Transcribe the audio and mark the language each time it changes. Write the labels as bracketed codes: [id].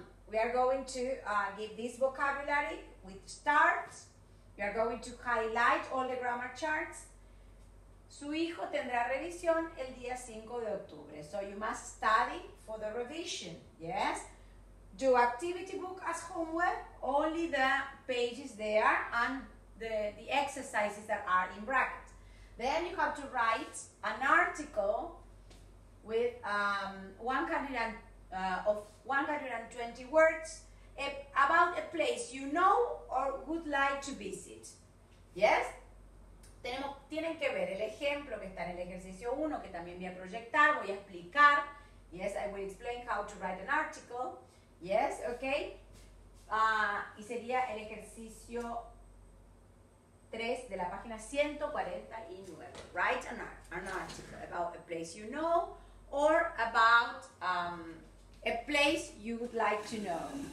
[en] We are going to give this vocabulary with starts. We are going to highlight all the grammar charts. [es] Su hijo tendrá revisión el día 5 de octubre. [en] So you must study for the revision, yes? Do activity book as homework, only the pages there and the exercises that are in brackets. Then you have to write an article with 120 words about a place you know or would like to visit. Yes? [es] Tienen que ver el ejemplo que está en el ejercicio 1, que también voy a proyectar, voy a explicar. [en] Yes, I will explain how to write an article. Yes, okay? [es] Y sería el ejercicio 3 de la página 149. [en] Write an article about a place you know or about a place you would like to know.